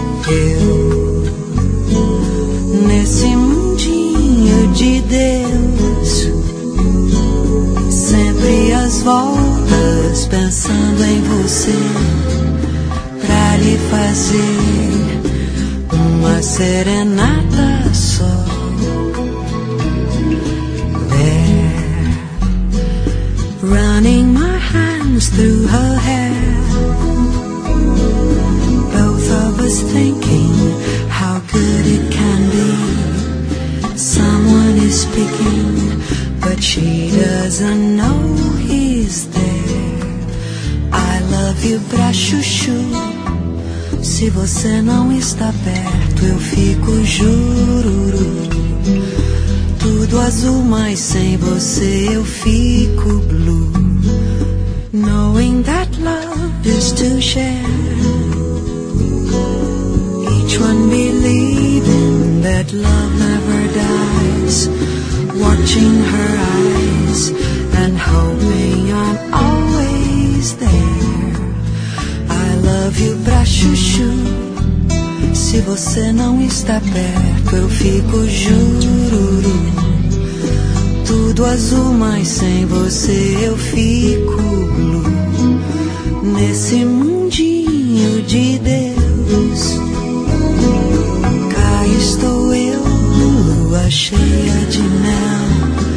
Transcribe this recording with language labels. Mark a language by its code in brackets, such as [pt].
[pt] Eu, nesse mundinho de Deus, sempre às voltas pensando em você, pra lhe fazer uma serenata só. [en] Running my hands through her hair, both of us thinking how good it can be. Someone is speaking, but she doesn't know he's there. I love you [pt] pra chuchu, se você não está perto eu fico jururu. Tudo azul, mas sem você eu fico blue. [en] Knowing that love is to share, each one believing that love never dies, watching her eyes and hoping I'm always there. I love you [pt] pra chuchu, se você não está perto eu fico jururu. Tudo azul, mas sem você eu fico. Nesse mundinho de Deus, cá estou eu, lua cheia de mel.